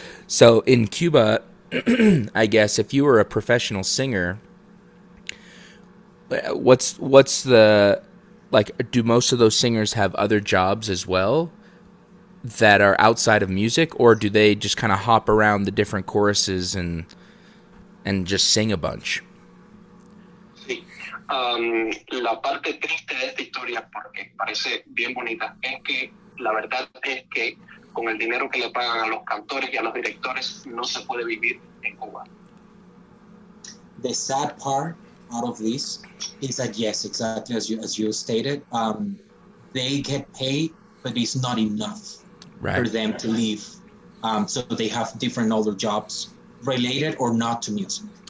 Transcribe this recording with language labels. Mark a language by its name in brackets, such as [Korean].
[English] So in Cuba, I guess, if you were a professional singer, what's the, like, do most of those singers have other jobs as well that are outside of music, or do they just kind of hop around the different choruses and just sing a bunch? [Spanish] La parte triste de esta historia, porque parece bien bonita, es que la verdad es que con el dinero que le pagan a los cantores y a los directores no se puede vivir en Cuba. [English] The sad part out of this is that, yes, exactly as you stated, they get paid, but it's not enough right for them to live So they have different other jobs related or not to music.